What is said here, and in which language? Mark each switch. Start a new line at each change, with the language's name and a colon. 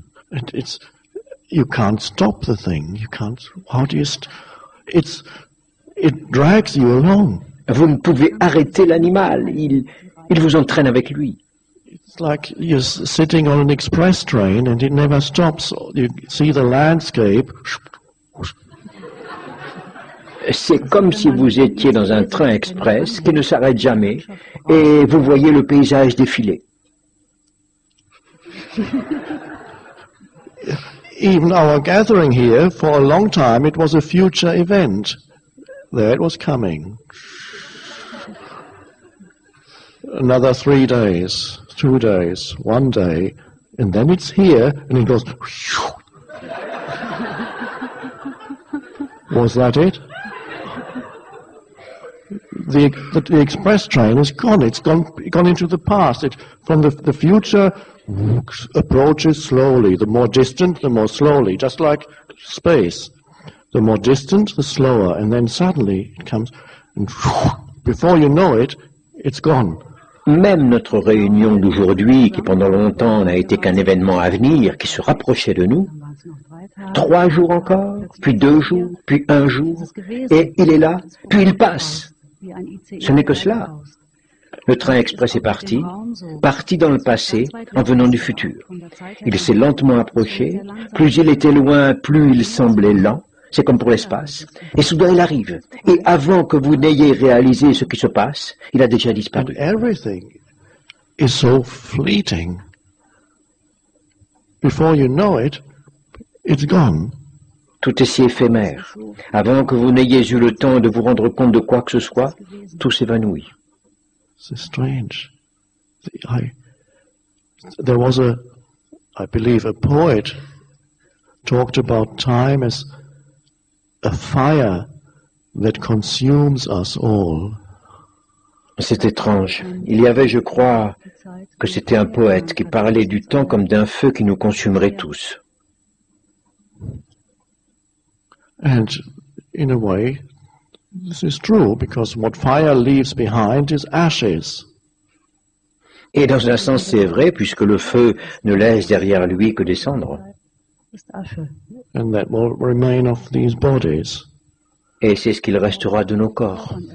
English: And it's, you can't stop the thing. You can't, how do you it's, it drags you along.
French: Vous ne pouvez arrêter l'animal, il vous entraîne avec lui.
English: It's like you're sitting on an express train and it never stops. You see the landscape.
French: C'est comme si vous étiez dans un train express qui ne s'arrête jamais et vous voyez le paysage défiler.
English: Even our gathering here for a long time, it was a future event. There it was coming. Another 3 days, 2 days, 1 day, and then it's here, and it goes. Was that it? The express train is gone. It's gone into the past. It from the future approaches slowly. The more distant, the more slowly. Just like space. The more distant, the slower, and then suddenly it comes, and before you know it, it's gone.
French: Même notre réunion d'aujourd'hui, qui pendant longtemps n'a été qu'un événement à venir, qui se rapprochait de nous, 3 jours encore, puis 2 jours, puis 1 jour, et il est là, puis il passe. Ce n'est que cela. Le train express est parti, dans le passé en venant du futur. Il s'est lentement approché, plus il était loin, plus il semblait lent, c'est comme pour l'espace. Et soudain il arrive, et avant que vous n'ayez réalisé ce qui se passe, il a déjà disparu.
English: Everything is so fleeting. Before you know it, it's gone.
French: Tout est si éphémère. Avant que vous n'ayez eu le temps de vous rendre compte de quoi que ce soit, tout s'évanouit. C'est
English: strange. There was a, I believe, a poet talked about time as a fire that consumes us all.
French: C'est étrange. Il y avait, je crois, que c'était un poète qui parlait du temps comme d'un feu qui nous consumerait tous.
English: And in a way, this is true, because what fire leaves behind is ashes.
French: Et dans un sens, c'est vrai, puisque le feu ne laisse derrière lui que des cendres.
English: And that will remain of these bodies.
French: Et c'est ce qu'il restera de nos corps.